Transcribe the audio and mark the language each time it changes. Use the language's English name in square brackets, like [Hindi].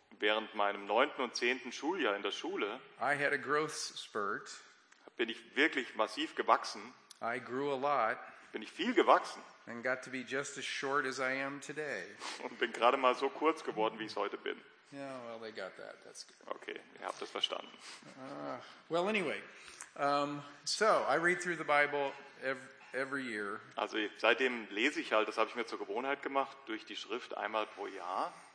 [German] während meinem 9. und 10. Schuljahr in der Schule, [English] I had a growth spurt. [German] Bin ich wirklich massiv gewachsen. [English] I grew a lot. [German] Bin ich viel gewachsen. [English] And got to be just as short as I am today. [German] Und bin gerade mal so kurz geworden, wie ich es heute bin. [English] Yeah, well, they got that. That's good. [German] Okay, ihr habt das verstanden. [English] Well, anyway, so I read through the Bible every year. [German] Also seitdem lese ich halt. Das habe ich mir zur Gewohnheit gemacht, durch die Schrift einmal pro Jahr.